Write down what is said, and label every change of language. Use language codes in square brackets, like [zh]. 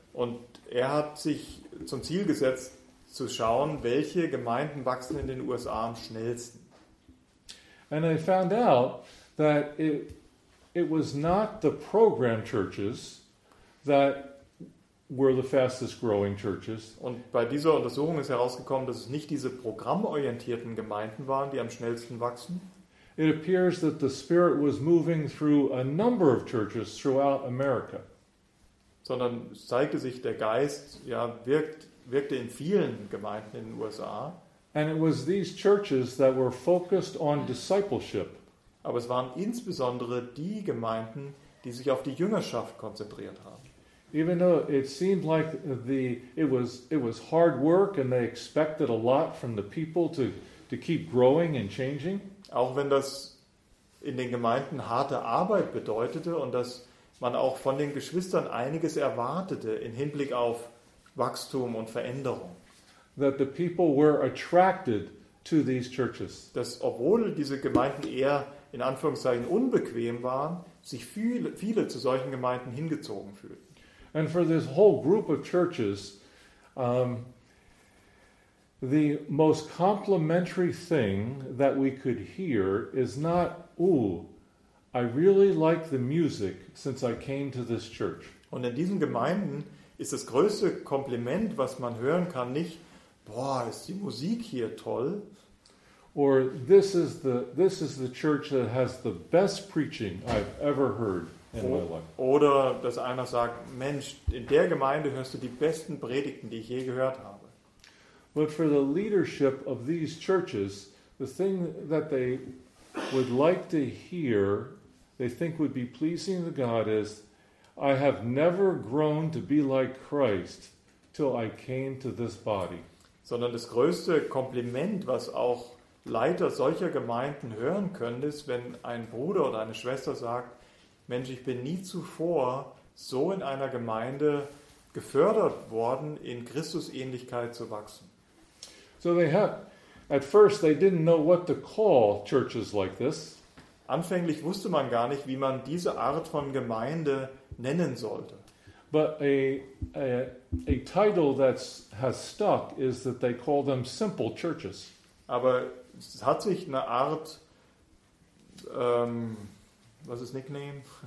[de] Und er hat sich zum Ziel gesetzt, zu schauen, welche Gemeinden wachsen in den USA am schnellsten. [en] And they found out that it was not the program churches that were the fastest growing churches. [de] Und bei dieser Untersuchung ist herausgekommen, dass es nicht diese programmorientierten Gemeinden waren, die am schnellsten wachsen. [en] It appears that the Spirit was moving through a number of churches throughout America. [de] Sondern es zeigte sich, der Geist wirkte in vielen Gemeinden in den USA. [en] And it was these churches that were focused on discipleship. [de] Aber es waren insbesondere die Gemeinden, die sich auf die Jüngerschaft konzentriert haben. [en] Even though it seemed like it was hard work and they expected a lot from the people to keep growing and changing. [de] Auch wenn das in den Gemeinden harte Arbeit bedeutete und dass man auch von den Geschwistern einiges erwartete in Hinblick auf Wachstum und Veränderung. [en] That the people were attracted to these churches. [de] Dass, obwohl diese Gemeinden eher in Anführungszeichen unbequem waren, sich viele zu solchen Gemeinden hingezogen fühlten. [en] And for this whole group of churches, the most complimentary thing that we could hear is not, "Ooh, I really like the music since I came to this church." [de] Und in diesen Gemeinden ist das größte Kompliment, was man hören kann, nicht, "Boah, ist die Musik hier toll." [en] Or this is the church that has the best preaching I've ever heard in my life. [de] Oder dass einer sagt, Mensch, in der Gemeinde hörst du die besten Predigten, die ich je gehört habe. [en] But for the leadership of these churches, the thing that they would like to hear, they think would be pleasing to God, is, "I have never grown to be like Christ till I came to this body." [de] Sondern das größte Kompliment, was auch Leiter solcher Gemeinden hören können, ist, wenn ein Bruder oder eine Schwester sagt, Mensch, ich bin nie zuvor so in einer Gemeinde gefördert worden, in Christusähnlichkeit zu wachsen. [en] So they had, at first they didn't know what to call churches like this. [de] Anfänglich wusste man gar nicht, wie man diese Art von Gemeinde nennen sollte. [en] But a title that has stuck is that they call them simple churches. [de] Aber es hat sich eine Art, was ist Nickname?